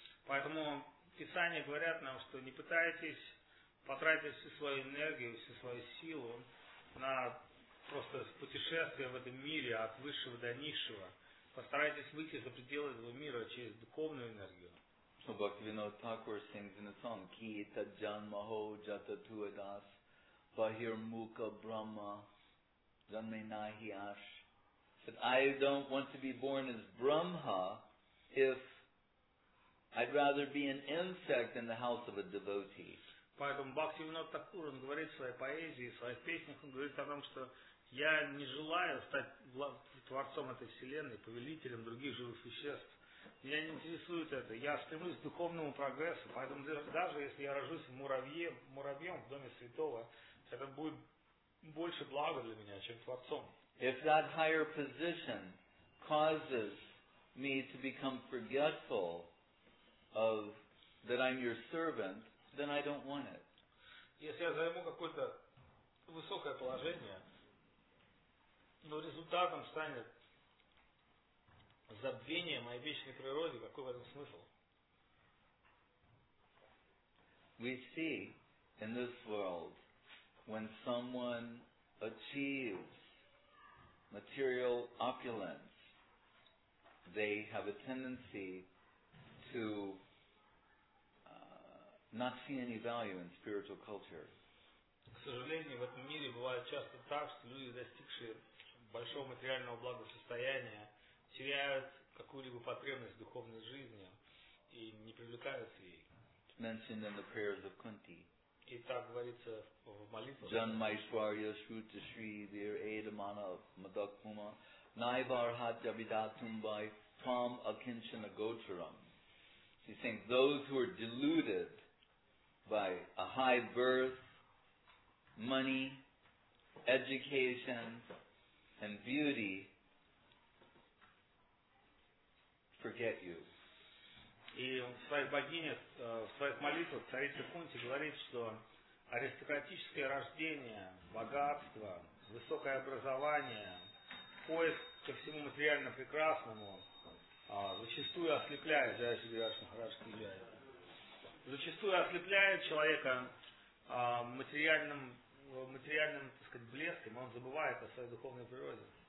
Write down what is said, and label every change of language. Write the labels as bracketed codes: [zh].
[ru] Поэтому писания говорят нам, что не пытайтесь потратить всю свою энергию, всю свою силу на просто путешествие в этом мире от высшего до низшего. Постарайтесь выйти за пределы этого мира через духовную энергию. [en] So Bhaktivinoda Thakur sings in a song, [bn] Kita Janmaho Jata Tuadas Bahir Muka Brahma Janme Nahi Ash. [en] Said, I don't want to be born as Brahma if I'd rather be an insect in the house of a devotee. [ru] Поэтому Бхактивинода Такур, он говорит в своей поэзии, в своих песнях, он говорит о том, что я не желаю стать творцом этой вселенной, повелителем других живых существ. Меня не интересует это. Я стремлюсь к духовному прогрессу. Поэтому даже если я рожусь муравьем в доме святого, это будет больше блага для меня, чем творцом. [en] If that higher position causes me to become forgetful of that I'm your servant, then I don't want it. [ru] Если я займу какое-то высокое положение, но результатом станет забвение моей вечной природы, какой в этом смысл? [en] We see in this world when someone achieves material opulence, they have a tendency to not see any value in spiritual culture. [ru] К сожалению, в этом мире бывает часто так, что люди, достигшие большого материального благосостояния, теряют какую-либо потребность в духовной жизни и не привлекаются ей. [en] Mentioned in the prayers of Kunti. [ru] И так говорится в молитвах. [sa] Janmaishwarya Shruta Shri Vir Edamana Madakuma Naivarhat Javidatumbai Tom Akinshana Gotaram. [en] He's saying those who are deluded by a high birth, money, education, and beauty, forget you. [ru] И он в своих богинях, в своих молитвах царица Кунти говорит, что аристократическое рождение, богатство, высокое образование, поиск ко всему материально прекрасному, зачастую ослепляет, да, если Вишну Махарадж кивает. Зачастую ослепляет человека материальным, так сказать, блеском, он забывает о своей духовной природе.